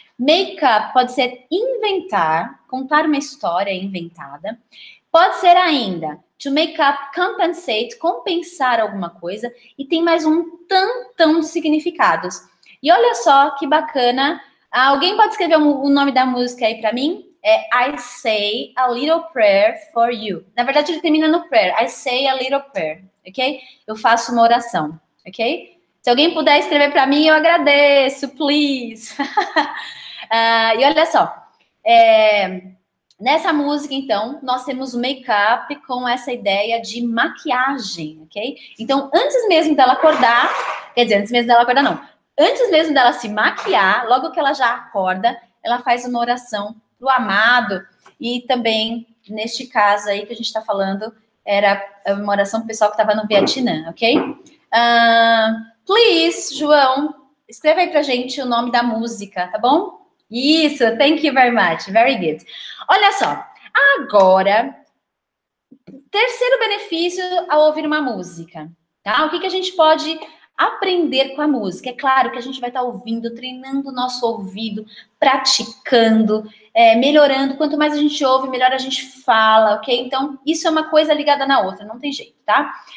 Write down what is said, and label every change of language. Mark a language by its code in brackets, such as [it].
[pt] Make-up pode ser inventar, contar uma história inventada. Pode ser ainda [en] to make-up compensate, [pt] compensar alguma coisa. E tem mais um tantão de significados. E olha só que bacana. Alguém pode escrever o nome da música aí pra mim? [en] É I say a little prayer for you. [pt] Na verdade, ele termina no prayer. [en] I say a little prayer, [pt] ok? Eu faço uma oração, ok? Se alguém puder escrever para mim, eu agradeço, [en] please. [pt] e olha só. Nessa música, então, nós temos o make-up com essa ideia de maquiagem, ok? Então, antes mesmo dela acordar... Quer dizer, antes mesmo dela acordar, não. Antes mesmo dela se maquiar, logo que ela já acorda, ela faz uma oração pro amado, e também, neste caso aí que a gente está falando, era uma oração pro pessoal que estava no Vietnã, ok? Please, João, escreva aí pra gente o nome da música, tá bom? [en] Isso, thank you very much, very good. [pt] Olha só, agora, terceiro benefício ao ouvir uma música, tá? O que, que a gente pode aprender com a música. É claro que a gente vai estar ouvindo, treinando o nosso ouvido, praticando, melhorando. Quanto mais a gente ouve, melhor a gente fala, ok? Então, isso é uma coisa ligada na outra, não tem jeito, tá?